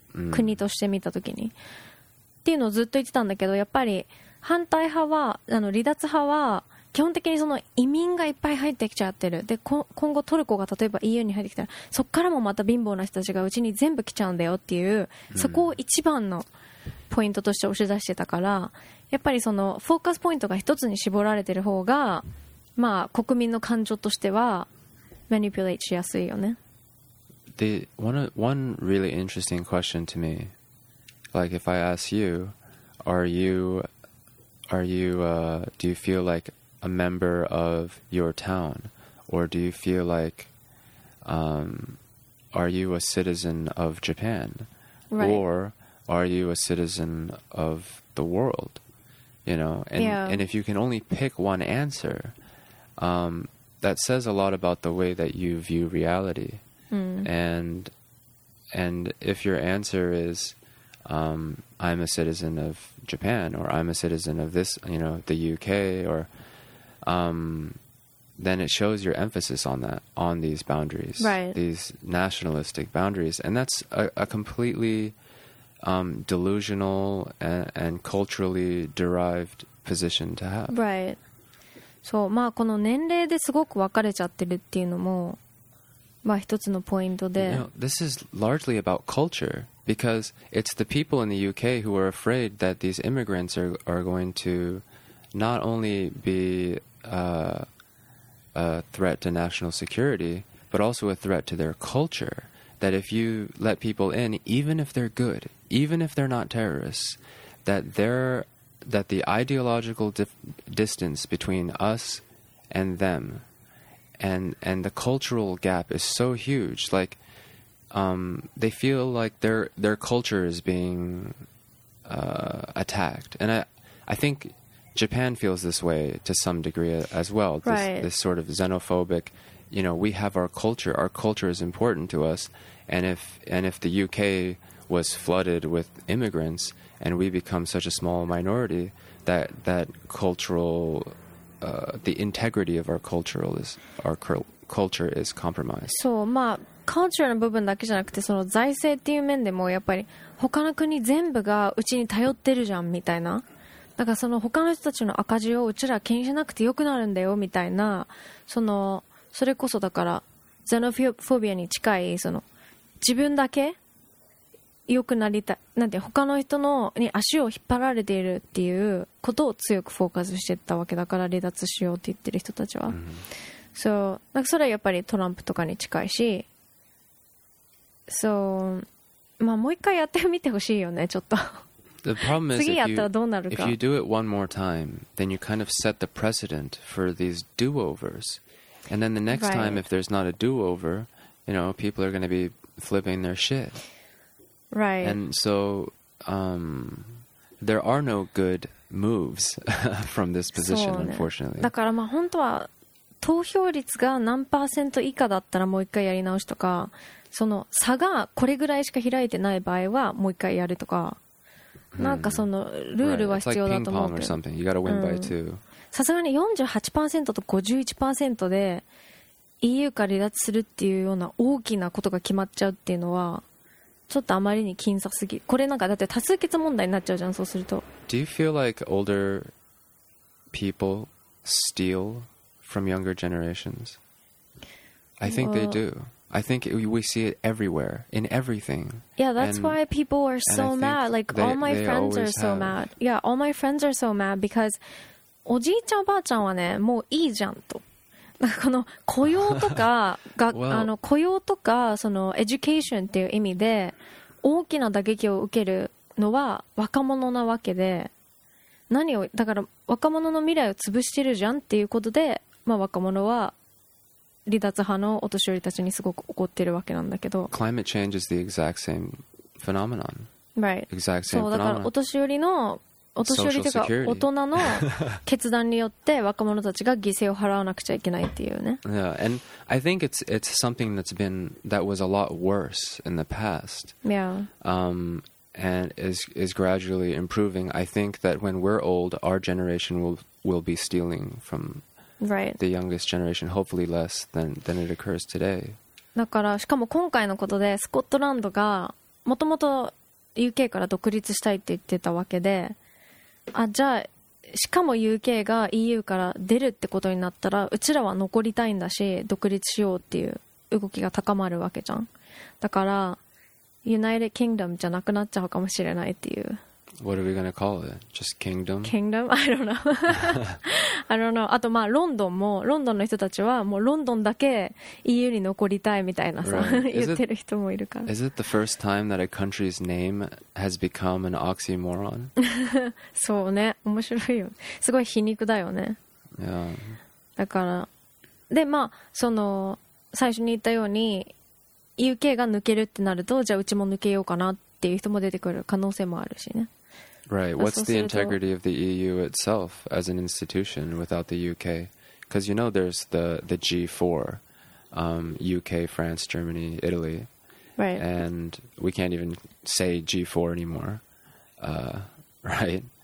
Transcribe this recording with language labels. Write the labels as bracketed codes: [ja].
[ja] 国として見た時に、っていうのをずっと言ってたんだけど、やっぱり反対派は、あの離脱派は基本的にその移民がいっぱい入ってきちゃってる、で今後トルコが例えば EU に入ってきたら、そこからもまた貧乏な人たちがうちに全部来ちゃうんだよっていう、そこを一番のポイントとして押し出してたから、やっぱりそのフォーカスポイントが一つに絞られてる方が、まあ国民の感情としてはマニピュレーしやすいよね。 [en] The one really interesting question to me, like if I ask you, do you feel like a member of your town, or do you feel like are you a citizen of Japan, right, or are you a citizen of the world, you know, and, yeah. And if you can only pick one answer, that says a lot about the way that you view reality. And if your answer is I'm a citizen of Japan, or I'm a citizen of this, you know, the UK, or then it shows your emphasis on that, on these boundaries, right, these nationalistic boundaries. And that's a completely delusional and culturally derived position to have. Right. [ja] So, まあこの年齢ですごく分かれちゃってるっていうのも、まあ一つのポイントで。 [en] You know, this is largely about culture, because it's the people in the UK who are afraid that these immigrants are going to not only be a threat to national security, but also a threat to their culture. That if you let people in, even if they're good, even if they're not terrorists, that the ideological distance between us and them, and the cultural gap is so huge. Like, they feel like their culture is being attacked, and I think Japan feels this way to some degree as well. Right. This sort of xenophobic, you know, we have our culture. Our culture is important to us. And if the UK was flooded with immigrants and we become such a small minority, that cultural, the integrity of our culture is compromised. [ja] So, まあ、カルチャーの部分だけじゃなくて、その財政っていう面でも、やっぱり他の国全部がうちに頼ってるじゃんみたいな。だからその他の人たちの赤字をうちら気にしなくてよくなるんだよみたいな、そのそれこそだからゼノフォビアに近い、その自分だけよくなりたい、なんて他の人のに足を引っ張られているっていうことを強くフォーカスしてたわけだから、離脱しようって言ってる人たちは、そうなんかそれはやっぱりトランプとかに近いし、そうまあもう一回やってみてほしいよね、ちょっと。 [en] The problem is if you do it one more time, then you kind of set the precedent for these do-overs. And then the next right. time, if there's not a do-over, you know, people are going to be flipping their shit. Right. And so there are no good moves from this position, unfortunately. [ja] だからまあ本当は投票率が何パーセント以下だったらもう一回やり直しとか、その差がこれぐらいしか開いてない場合はもう一回やるとか、なんかそのルールは必要だと思うけど、 [en] right. like ping pong or something. [ja] さすがに 48% と 51% で EU から離脱するっていうような大きなことが決まっちゃうっていうのはちょっとあまりに僅差すぎ、これなんかだって多数決問題になっちゃうじゃん、そうすると。 [en] Do you feel like older people steal from younger generations? I think they do. I think we see it everywhere, in everything. Yeah, that's why people are so mad. Like, all my friends are so mad. Yeah, all my friends are so mad because [ja] おじいちゃんおばあちゃんはね、もういいじゃんと。なんかこの雇用とか、 [en] well, [ja] あの雇用とか、そのエデュケーションっていう意味で大きな打撃を受けるのは若者なわけで、何を、だから若者の未来を潰してるじゃんっていうことで、まあ若者は離脱派のお年寄りたちにすごく怒ってるわけなんだけど、 [en] climate change is the exact same phenomenon, right, exact same phenomenon. [ja] だからお年寄りの、お年寄りというか大人の決断によって若者たちが犠牲を払わなくちゃいけないっていうね。 [en] Yeah, and I think it's something that was a lot worse in the past. Yeah. and is gradually improving. I think that when we're old, our generation will be stealing from right. the youngest generation, hopefully less than it occurs today. [ja] だからしかも今回のことでスコットランドがもともと UK から独立したいって言ってたわけで、あ、じゃあしかも UK が EU から出るってことになったらうちらは残りたいんだし独立しようっていう動きが高まるわけじゃん。だからユナイテッドキングダムじゃなくなっちゃうかもしれないっていう。 [en] What are we gonna call it? Just kingdom? Kingdom? I don't know. [ja] I don't know. あとまあロンドンも、ロンドンの人たちはもうロンドンだけ EU に残りたいみたいなさ、 [en] right. [ja] 言ってる人もいるから。 [en] Is it the first time that a country's name has become an oxymoron? [ja] そうね、面白いよ、すごい皮肉だよね。 [en] Yeah. [ja] だからでまあその最初に言ったようにUK が抜けるってなると、じゃあうちも抜けようかなっていう人も出てくる可能性もあるしね。 [en] Right. What's the integrity of the EU itself as an institution without the UK? Because you know there's the G4, UK, France, Germany, Italy. Right. And we can't even say G4 anymore. Right.